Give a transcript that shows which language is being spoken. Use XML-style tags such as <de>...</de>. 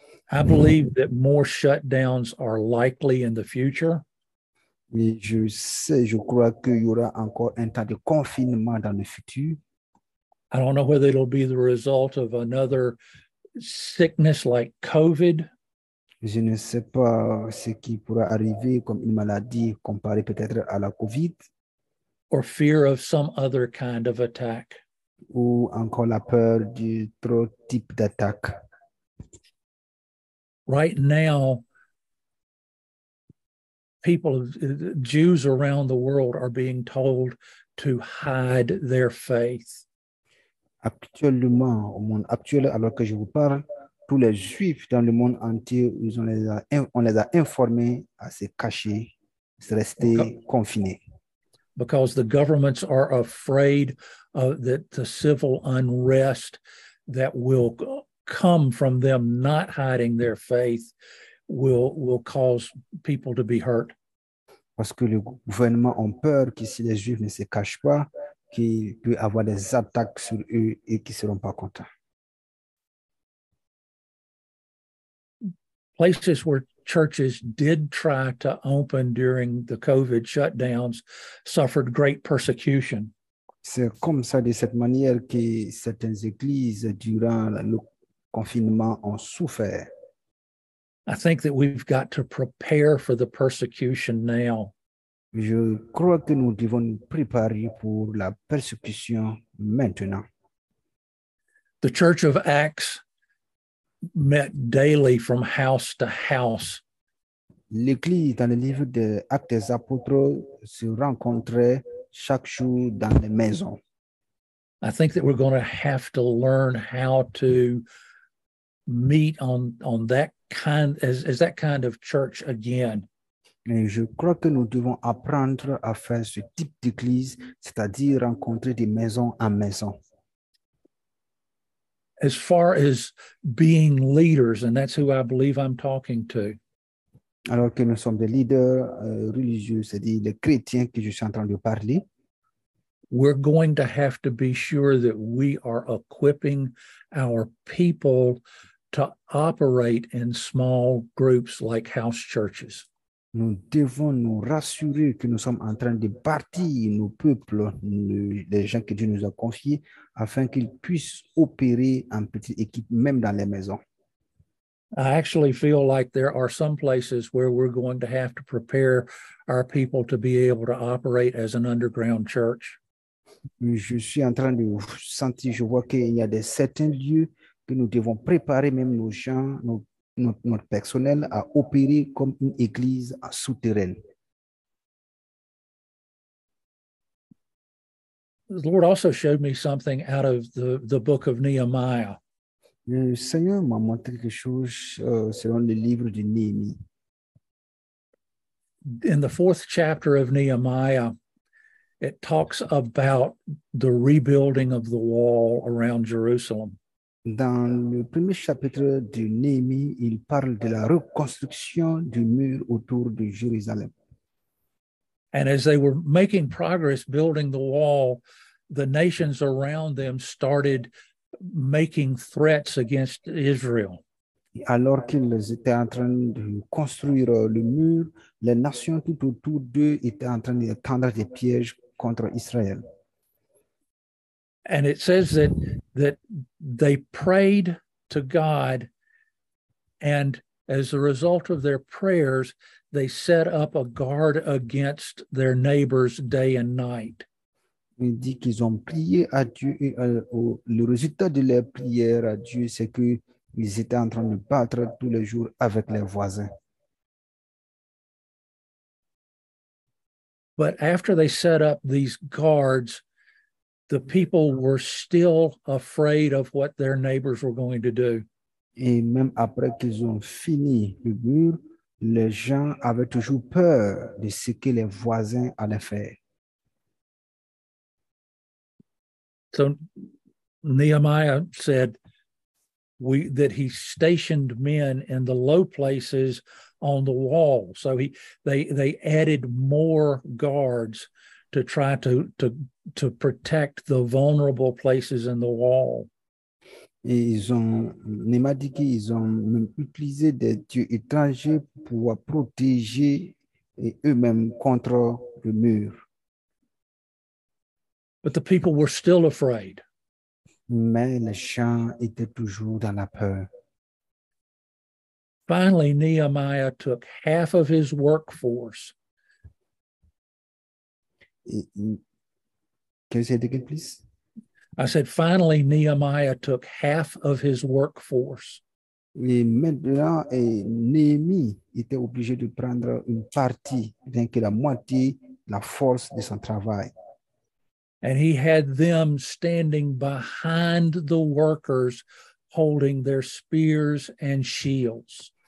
<en>I believe that more shutdowns are likely in the future.</en> <fr>Mais je crois qu'il y aura encore un tas de confinement dans le futur.</fr> <en>I don't know whether it'll be the result of another sickness like COVID.</en> <fr>Je ne sais pas ce qui pourra arriver comme une maladie comparée peut-être à la COVID.</fr> <en>Or fear of some other kind of attack.</en> <fr>Ou encore la peur du trop type d'attaque.</fr> <en>Right now, people, Jews around the world are being told to hide their faith.</en> <fr>Actuellement, au monde actuel, alors que je vous parle, tous les Juifs dans le monde entier, on les a informés à se cacher, se rester confinés.</fr> <en>Because the governments are afraid of that the civil unrest that will come from them not hiding their faith will cause people to be hurt.</en> <fr>Parce que le gouvernement a peur que si les Juifs ne se cachent pas, qu'il peut avoir des attaques sur eux et qu'ils ne seront pas contents.</fr> <en>Places where churches did try to open during the COVID shutdowns suffered great persecution.</en> <fr>C'est comme ça, de cette manière, que certaines églises durant le confinement ont souffert.</fr> <en>I think that we've got to prepare for the persecution now.</en> <fr>Je crois que nous devons nous préparer pour la persécution maintenant.</fr> <en>The Church of Acts met daily from house to house.</en> <fr>L'Église dans le livre de Actes des Apôtres se rencontrait chaque jour dans les maisons.</fr> <en>I think that we're going to have to learn how to meet on that kind as that kind of church again.</en> <fr>Et je crois que nous devons apprendre à faire ce type d'église, c'est-à-dire rencontrer de maison en maison.</fr> <en>As far as being leaders, and that's who I believe I'm talking to.</en> <fr>Alors que nous sommes des leaders religieux, c'est-à-dire les chrétiens que je suis en train de parler.</fr> <en>We're going to have to be sure that we are equipping our people to operate in small groups like house churches.</en> <fr>Nous devons nous rassurer que nous sommes en train de bâtir nos peuples, les gens que Dieu nous a confiés, afin qu'ils puissent opérer en petite équipe, même dans les maisons.</fr> <en>I actually feel like there are some places where we're going to have to prepare our people to be able to operate as an underground church.</en> <fr>Je suis en train de sentir, je vois qu'il y a des certains lieux que nous devons préparer même nos gens, notre personnel à opérer comme une église souterraine.</fr> <en>The Lord also showed me something out of the book of Nehemiah.</en> <fr>Le Seigneur m'a montré quelque chose selon le livre de Néhémie.</fr> <en>In the fourth chapter of Nehemiah, it talks about the rebuilding of the wall around Jerusalem.</en> <fr>Dans le premier chapitre de Néhémie, il parle de la reconstruction du mur autour de Jérusalem.</fr> <en>And as they were making progress building the wall, the nations around them started making threats against Israel.</en> <fr>Alors qu'ils étaient en train de construire le mur, les nations tout autour d'eux étaient en train de tendre des pièges contre Israël.</fr> <en>And it says that they prayed to God, and as a result of their prayers, they set up a guard against their neighbors day and night.</en> <fr>Il dit qu'ils ont prié à Dieu et le résultat de leur prière à Dieu, c'est qu'ils étaient en train de battre tous les jours avec leurs voisins.</fr> <en>But after they set up these guards, the people were still afraid of what their neighbors were going to do.</en> <fr>Et même après qu'ils ont fini le mur, les gens avaient toujours peur de ce que les voisins allaient faire.</fr> <en>So Nehemiah said that he stationed men in the low places on the wall. So they added more guards to try to protect the vulnerable places in the wall.</en> <fr>Et Nehemiah dit qu'ils ont même utilisé des dieux étrangers pour protéger eux-mêmes contre le mur.</fr> <en>But the people were still afraid.</en> <fr>Mais les gens étaient toujours dans la peur.</fr> <en>Finally, Nehemiah took half of his workforce. Can you say it again, please? I said, finally, Nehemiah took half of his workforce.</en> <fr>Et maintenant, Néhémie était obligé de prendre une partie, bien que la moitié, la force de son travail.</fr> <en>And he had them standing behind the workers holding their spears and shields.</en>